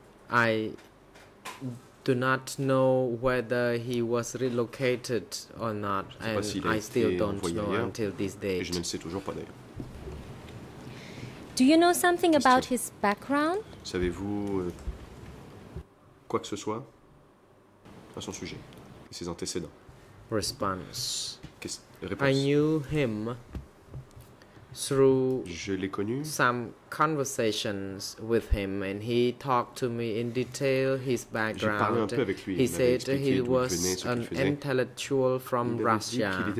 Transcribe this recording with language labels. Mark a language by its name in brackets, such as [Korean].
[English] I do not know whether he was relocated or not, and I still don't know until this day. Do you know something about his background? [French] Savez-vous quoi que ce soit à son sujet, ses antécédents? [English] Response: I knew him through some conversations with him, and he talked to me in detail his background. [French] J'ai parlé un peu avec lui. [English] He said he was an intellectual from Russia.